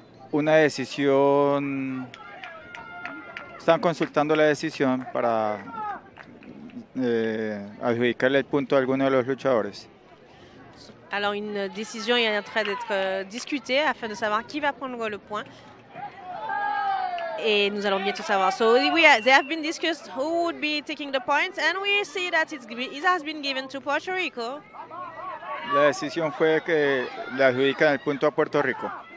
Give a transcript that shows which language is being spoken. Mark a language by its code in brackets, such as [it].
[es] Una decisión, están consultando la decisión para adjudicarle el punto a alguno de los luchadores. [fr] Alors une décision est en train d'être discutée afin de savoir qui va prendre le point. Et nous allons bientôt savoir. [en] So we they have been discussed who would be taking the point and we see that it has been given to Puerto Rico. [es] La decisión fue que le adjudican el punto a Puerto Rico.